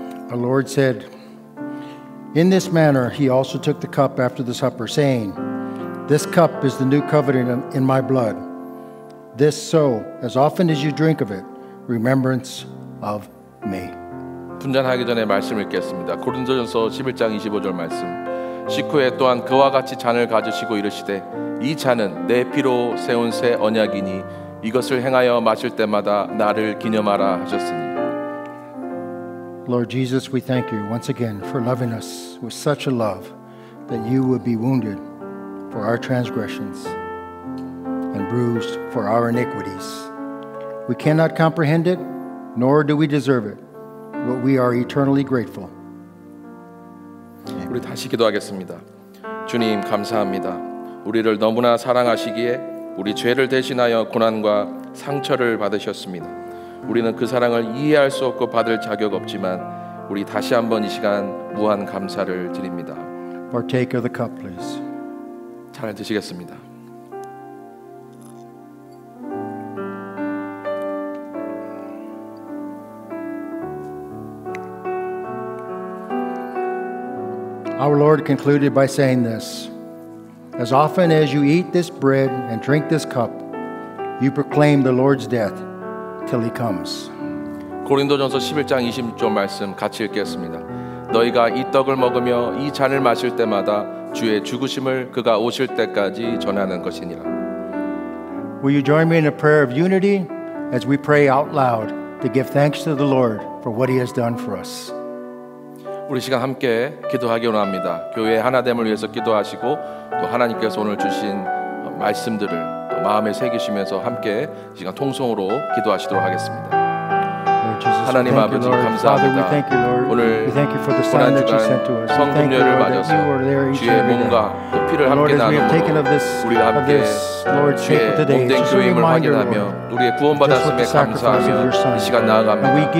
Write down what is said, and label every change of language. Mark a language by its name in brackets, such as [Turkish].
[English] Our Lord said, In this manner he also took the cup after the supper, saying, This cup is the new covenant in my blood. This so, as often as you drink of it, remembrance of me. [Korean] 분잔하기 전에 말씀을 읽겠습니다. 고린도전서 11장 25절 말씀. 식후에 또한 그와 같이 잔을 가지시고 이르시되, 이 잔은 내 피로 세운 새 언약이니 이것을 행하여 마실 때마다 나를 기념하라 하셨으니. [English] Lord Jesus, we thank you once again for loving us with such a love that you would be wounded for our transgressions and bruised for our iniquities. We cannot comprehend it, nor do we deserve it, but we are eternally grateful. [Korean] 우리 다시 기도하겠습니다. 주님, 감사합니다. 우리를 너무나 사랑하시기에 우리 죄를 대신하여 고난과 상처를 받으셨습니다. 우리는 그 사랑을 이해할 수 없고 받을 자격 없지만 우리 다시 한번 이 시간 무한 감사를 드립니다. [English] Partake of the cup, please. [Korean] 잘 드시겠습니다. [English] Our Lord concluded by saying this, As often as you eat this bread and drink this cup, you proclaim the Lord's death. Till he comes. [Korean] 고린도전서 11장 20절 말씀 같이 읽겠습니다. 너희가 이 떡을 먹으며 이 잔을 마실 때마다 주의 죽으심을 그가 오실 때까지 전하는 것이니라. [English] Will you join me in a prayer of unity as we pray out loud to give thanks to the Lord for what he has done for us? [Korean] 우리 시간 함께 기도하기 원합니다. 교회 하나됨을 위해서 기도하시고 또 하나님께서 오늘 주신 말씀들을 마음에 새기시면서 함께 지금 통성으로 기도하시도록 하겠습니다. 하나님 아버지 감사합니다. 오늘 지난 주간 성금요일을 맞아서 주의 몸과 또 피를 함께 나누고 우리와 함께 주의 몸된 교회임을 확인하며 우리의 구원받았음에 감사하며 이 시간 나아갑니다.